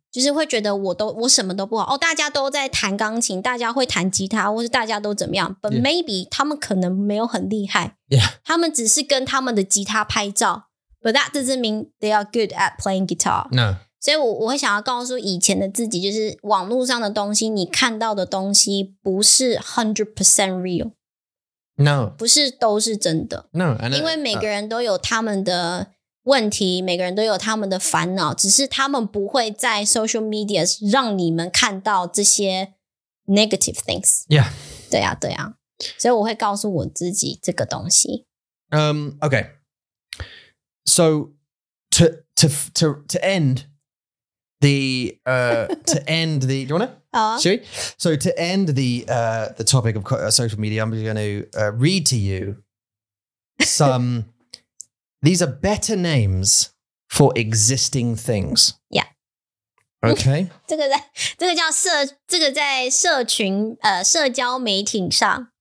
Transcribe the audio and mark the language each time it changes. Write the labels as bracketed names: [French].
[Chinese] 就是会觉得我什么都不好。哦大家都在弹钢琴大家会弹吉他或是大家都怎么样。 [English] But maybe [Chinese] 他们可能没有很厉害。 [English] Yeah. [Chinese] 他们只是跟他们的吉他拍照。 [English] But that doesn't mean they are good at playing guitar. No. [Chinese] 所以我会想要告诉以前的自己就是网络上的东西你看到的东西不是 100% real。 [English] No. [Chinese] 不是都是真的。 [English] No, [Chinese] 因为每个人都有他们的问题每个人都有他们的烦恼只是他们不会在 social media 让你们看到这些 negative things. [English] Yeah. [Chinese] 对啊对啊。所以我会告诉我自己这个东西。 [English] Okay. So, to end the, to end the, do you want to? Oh. Should we? So to end the topic of social media, I'm just going to read to you some, These are better names for existing things. Yeah. Okay. [Chinese] 这个叫社，这个在社群，社交媒体上。